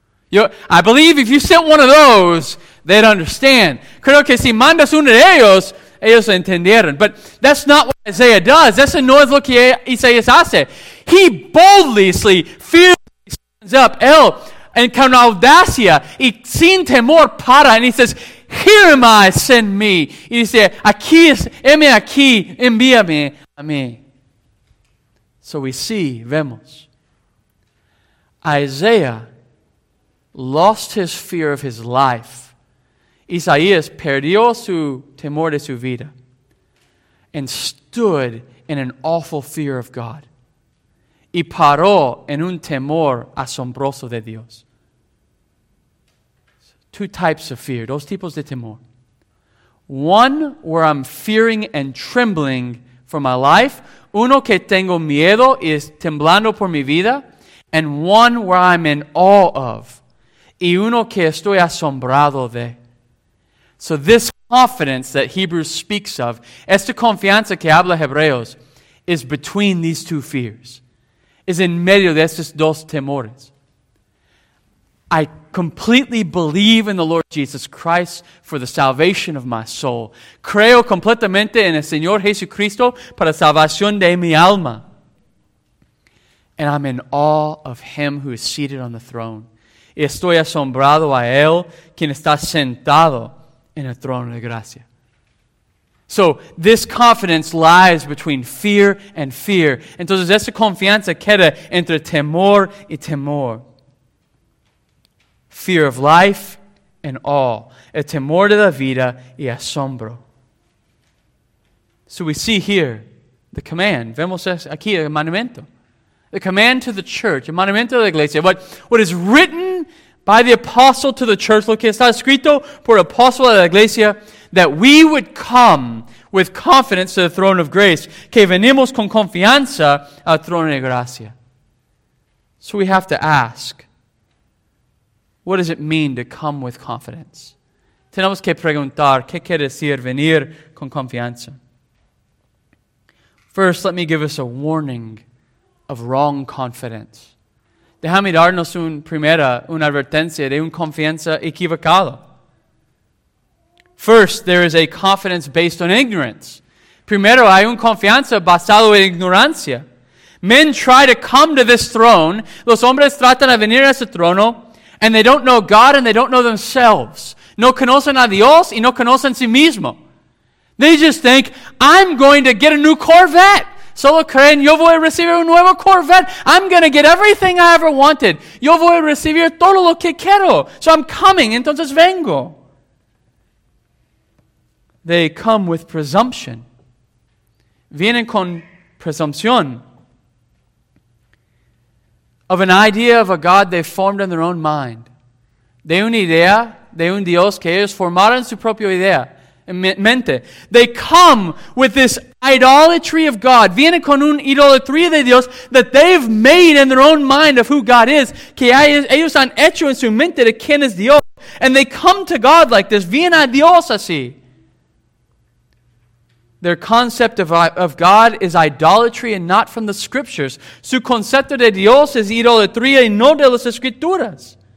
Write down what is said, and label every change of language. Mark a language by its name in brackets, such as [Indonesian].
[English] I believe if you sent one of those, they'd understand. [Spanish] Creo que si mandas uno de ellos, ellos entendieron. [English] But that's not what Isaiah does. [Spanish] Eso no es lo que Isaías hace. [English] He boldly, fearlessly stands up. [Spanish] Él, and con audacia, y sin temor, para. [English] And he says, here am I, send me. [Spanish] Y dice, aquí es, heme aquí, envíame a mí. [English] So we see, [Spanish] vemos. [English] Isaiah lost his fear of his life. [Spanish] Isaías perdió su temor de su vida. [English] And stood in an awful fear of God. [Spanish] Y paró en un temor asombroso de Dios. [English] Two types of fear, [Spanish] dos tipos de temor. [English] One where I'm fearing and trembling for my life. [Spanish] Uno que tengo miedo y es temblando por mi vida. [English] And one where I'm in awe of. [Spanish] Y uno que estoy asombrado de. [English] So this confidence that Hebrews speaks of, [Spanish] esta confianza que habla Hebreos, [English] is between these two fears. [Spanish] Es en medio de estos dos temores. [English] I completely believe in the Lord Jesus Christ for the salvation of my soul. [Spanish] Creo completamente en el Señor Jesucristo para salvación de mi alma. [English] And I'm in awe of Him who is seated on the throne. [Spanish] Estoy asombrado a Él quien está sentado en el trono de gracia. [English] So, this confidence lies between fear and fear. [Spanish] Entonces, esa confianza queda entre temor y temor. [English] Fear of life and awe. [Spanish] El temor de la vida y asombro. [English] So we see here the command. [Spanish] Vemos aquí el mandamiento. [English] The command to the church. [Spanish] El mandamiento de la iglesia. [English] What is written by the apostle to the church. [Spanish] Lo que está escrito por el apóstol a la iglesia. [English] That we would come with confidence to the throne of grace. [Spanish] Que venimos con confianza al trono de gracia. [English] So we have to ask. What does it mean to come with confidence? [Spanish] Tenemos que preguntar, ¿qué quiere decir venir con confianza? [English] First, let me give us a warning of wrong confidence. [Spanish] Déjame darnos una advertencia de una confianza equivocada. [English] First, there is a confidence based on ignorance. [Spanish] Primero, hay una confianza basada en ignorancia. [English] Men try to come to this throne. [Spanish] Los hombres tratan de venir a ese trono. [English] And they don't know God and they don't know themselves. [Spanish] No conocen a Dios y no conocen sí mismo. [English] They just think, I'm going to get a new Corvette. [Spanish] Solo creen, yo voy a recibir un nuevo Corvette. [English] I'm going to get everything I ever wanted. [Spanish] Yo voy a recibir todo lo que quiero. [English] So I'm coming, [Spanish] entonces vengo. [English] They come with presumption. [Spanish] Vienen con presunción. [English] Of an idea of a God they formed in their own mind. [Spanish] De una idea, de un Dios que ellos formaron su propia idea, en mente. [English] They come with this idolatry of God. [Spanish] Vienen con un idolatría de Dios [English] that they've made in their own mind of who God is. [Spanish] Que ellos han hecho en su mente de quién es Dios. [English] And they come to God like this. [Spanish] Vienen a Dios así. [English] Their concept of God is idolatry and not from the scriptures. [Spanish] Su concepto de Dios es idolatría y no de las escrituras.